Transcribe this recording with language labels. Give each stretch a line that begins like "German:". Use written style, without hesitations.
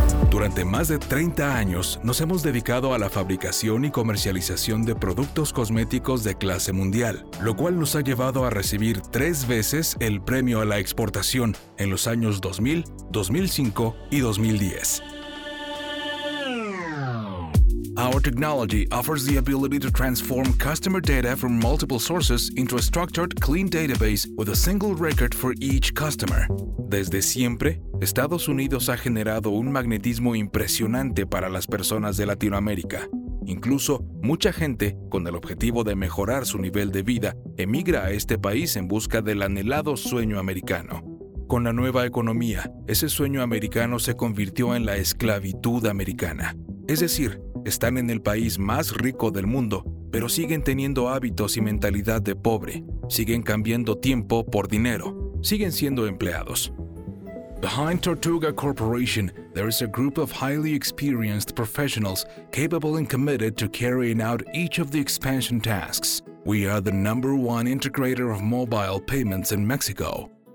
Spanish: Durante más de 30 años, nos hemos dedicado a la fabricación y comercialización de productos cosméticos de clase mundial, lo cual nos ha llevado a recibir 3 veces el premio a la exportación en los años 2000, 2005 y 2010.
English: Our technology offers the ability to transform customer data from multiple sources into a structured, clean database with a single record for each customer.
Spanish: Desde siempre, Estados Unidos ha generado un magnetismo impresionante para las personas de Latinoamérica. Incluso, mucha gente, con el objetivo de mejorar su nivel de vida, emigra a este país en busca del anhelado sueño americano. Con la nueva economía, ese sueño americano se convirtió en la esclavitud americana. Es decir, están en el país más rico del mundo, pero siguen teniendo hábitos y mentalidad de pobre. Siguen cambiando tiempo por dinero. Siguen siendo empleados.
English: Behind Tortuga Corporation, there is a group of highly experienced professionals capable and committed to carrying out each of the expansion tasks. We are the number one integrator of mobile payments in Mexico.